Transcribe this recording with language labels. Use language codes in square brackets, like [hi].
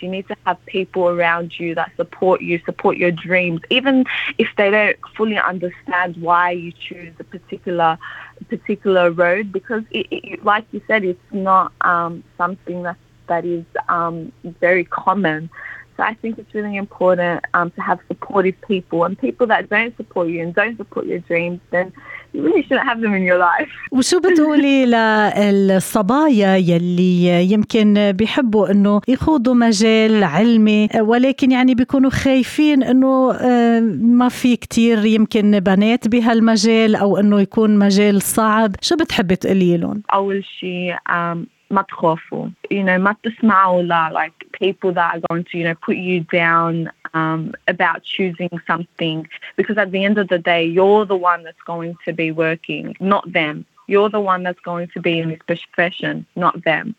[en] You need to have people around you that support you, support your dreams, even if they don't fully understand why you choose a particular road. Because it, like you said, it's not something that is very common. So I think it's really important to have supportive people, and people that don't support you and don't support your dreams, then you really shouldn't have them in your life. [ar] وشو بتقولي للصبايا يلي يمكن بيحبوا إنه يخوضوا مجال علمي ولكن يعني بيكونوا خايفين إنه ما في كتير يمكن بنات بهالمجال أو إنه يكون مجال صعب؟ شو بتحبي تقولي لهم؟ أول شيء ما تخافوا. [en] You know, [ar] ما تسمعوا لا [en] like people that are going to, you know, put you down about choosing something, because at the end of the day, you're the one that's going to be working, not them. You're the one that's going to be in this profession, not them.